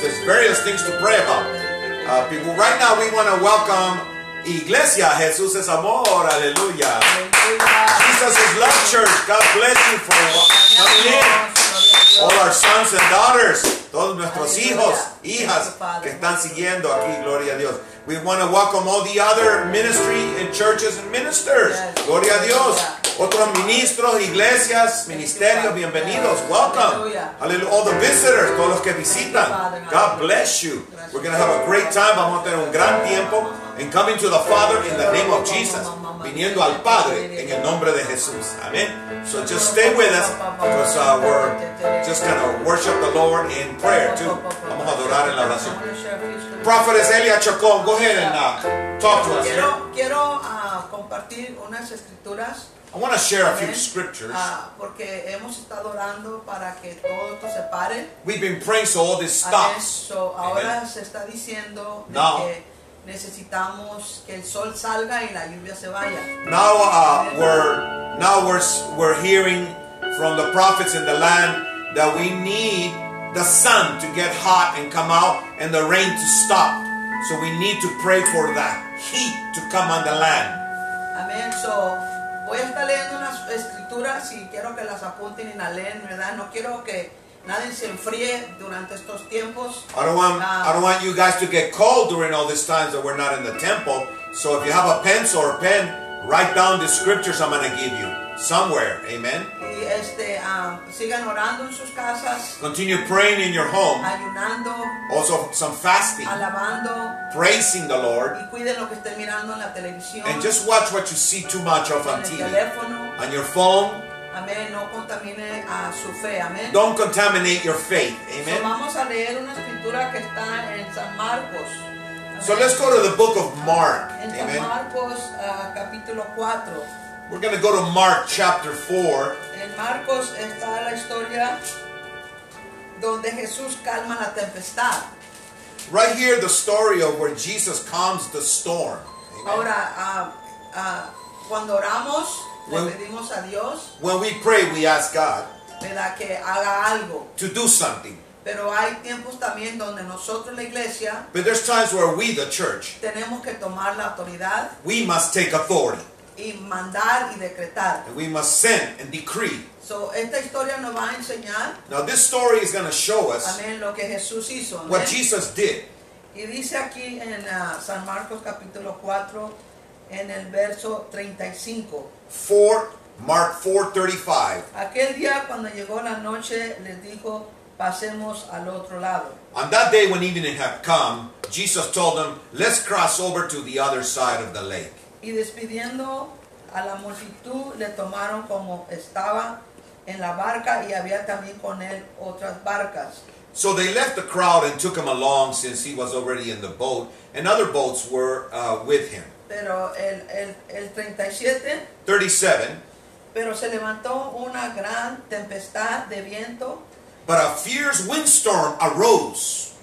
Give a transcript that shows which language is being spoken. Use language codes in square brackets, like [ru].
[en] There's various things to pray about. People, right now we want to welcome Iglesia Jesús es Amor. Aleluya. Jesus is Love Church. God bless you for coming in. All our sons and daughters. [es] Todos nuestros hijos, hijas que están siguiendo aquí. Gloria a Dios. [en] We want to welcome all the other ministry and churches and ministers. [es] Gloria a Dios. Otros ministros, iglesias, ministerios, bienvenidos, welcome. Hallelujah. [en] All the visitors, [es] todos los que visitan, [en] God bless you. We're going to have a great time, [es] vamos a tener un gran tiempo [en] in coming to the Father in the name of Jesus, [es] viniendo al Padre en el nombre de Jesús. [en] Amen. So just stay with us, because we're just going to worship the Lord in prayer too. [es] Vamos a adorar en la oración. [en] Prophetess Elia Chacón, go ahead and talk to us. [es] Quiero compartir unas escrituras. [en] I want to share a few scriptures. [es] Porque hemos estado orando para que todo esto se pare. [en] We've been praying so all this stops. [es] So ahora se está diciendo now, que necesitamos que el sol salga y la lluvia se vaya. [en] Now we're hearing from the prophets in the land that we need the sun to get hot and come out and the rain to stop. So we need to pray for the heat to come on the land. Amen. [es] So voy a estar leyendo unas escrituras y quiero que las apunten y las leen, ¿verdad? No quiero que nadie se enfríe durante estos tiempos. [en] I don't want you guys to get cold during all these times that we're not in the temple. So if you have a pencil or a pen, write down the scriptures I'm going to give you. somewhere. Amen. [es] Y sigan orando en sus casas. [en] Continue praying in your home. [es] Ayunando. [en] Also some fasting. [es] Alabando. [en] Praising the Lord. [es] Y cuiden lo que estén mirando en la televisión. [en] And just watch what you see too much of on TV. [es] Teléfono. [en] On your phone. [es] Amén. No contamine a su fe. Amén. [en] Don't contaminate your faith. Amen. [es] So vamos a leer una escritura que está en San Marcos. [en] So let's go to the book of Mark. Amen. [es] Marcos, capítulo 4. [en] We're going to go to Mark chapter 4. [es] En Marcos está la historia donde Jesús calma la tempestad. [en] Right here, the story of where Jesus calms the storm. Amen. [es] Ahora, cuando oramos, le pedimos a Dios. [en] When we pray, we ask God. [es] ¿Verdad? Que haga algo. [en] To do something. [es] Pero hay tiempos también donde nosotros, la iglesia, [en] but there's times where we, the church, [es] tenemos que tomar la autoridad. [en] We must take authority. [es] Y mandar y decretar. [en] And we must send and decree. [es] So, esta historia nos va a enseñar. [en] Now this story is going to show us, [es] amen, lo que Jesús hizo, [en] what Jesus did. [es] Y dice aquí en San Marcos capítulo 4, en el verso 35. [en] Mark 4:35. [es] Aquel día cuando llegó la noche, les dijo, pasemos al otro lado. [en] On that day when evening had come, Jesus told them, let's cross over to the other side of the lake. [es] Y despidiendo a la multitud, le tomaron como estaba en la barca, y había también con él otras barcas. [en] So they left the crowd and took him along, since he was already in the boat, and other boats were with him. [es] Pero el 37. Pero se levantó una gran tempestad de viento. [en] But a fierce windstorm arose.